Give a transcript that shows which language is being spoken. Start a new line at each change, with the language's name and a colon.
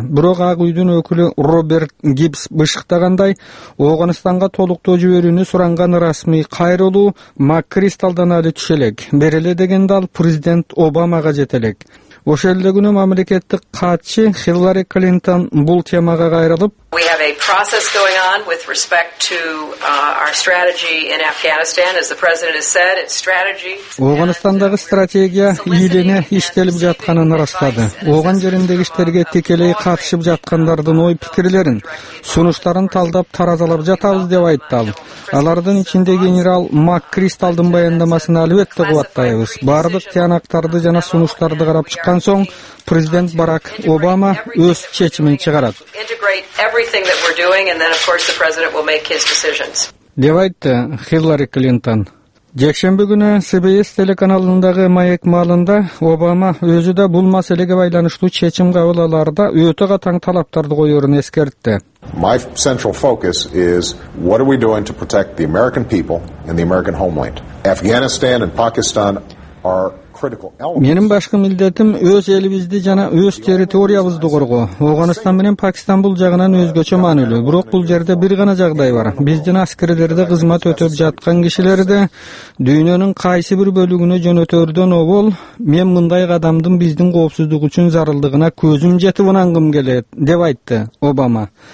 Kyrgyz: Бирок Ак үйдүн өкүлү Роберт Гибс бышыктагандай, Ооганстанга толуктоо жиберүүнү суранган расмий кайрылуу МакКристалдан эле түшө элек. Бере эле дегенде ал президент Обамага жете элек. Ошол эле күнү мамлекеттик катчы Хиллари Клинтон бул темага кайрылып,
English: We have a process going on with respect to our strategy in Afghanistan. As the president has said, it's strategy.
Kyrgyz: Ооганстандагы стратегия ийлене иштелип жатканын ырастады. Ооган жериндеги иштерге тикелей катышып жаткандардын ой-пикирлерин, сунуштарын талдап таразалап жатабыз деп айтты ал. Алардын ичинде генерал МакКристалдын баяндамасын албетте кубаттайбыз. Бардык тыянактарды жана сунуштарды карап чыккан соң, президент Барак Обама өз чечимин чыгарат.
English: Everything that we're doing and then of course the president will make his decisions.
Kyrgyz: Девайтте Хиллари Клинтон. Жекшемби күнү CBS телеканалындагы маек маалында Обама өзү да бул маселеге байланыштуу чечим кабыл аларда өтө катаң талаптарды коёрун эскертти.
English: My central focus is what are we doing to protect the American people and the American homeland? Afghanistan and Pakistan are
Kyrgyz: Менин башкы милдетим өз элибизди жана өз территориябызды коргоо. Афганистан менен Пакистан бул жагынан өзгөчө маанилүү. Бирок бул жерде бир гана жагдай бар. Биздин аскерлерде кызмат өтөп жаткан кишилерде дүйнөнүн кайсы бир бөлүгүнө жөнөтөрдөн обол, мен мындай кадамдын биздин коопсуздук үчүн зарылдыгына көзүм жетип анангым келет, деп айтты Обама.